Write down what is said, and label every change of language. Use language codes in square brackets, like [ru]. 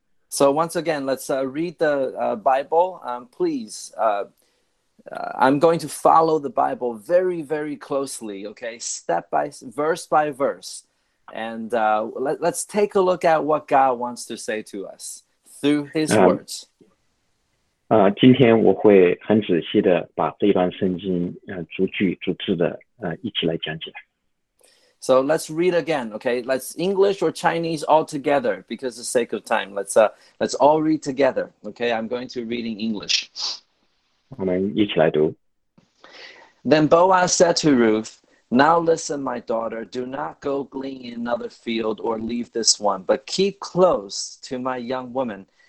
[en] So once again, let's read the Bible, please. I'm going to follow the Bible very, very closely, okay? Step by verse by verse. And let's take a look at what God wants to say to us through his words. [zh] 今天我会很仔细的把这段圣经逐句逐字的一起来讲解。 [en] So let's read again, okay? Let's English or Chinese all together because of the sake of time. Let's all read together, okay? I'm going to read in English. [zh] 我们一起来读。 [en] Then Boaz said to Ruth, Now listen, my daughter, do not go glean in another field or leave this one, but keep close to my young woman.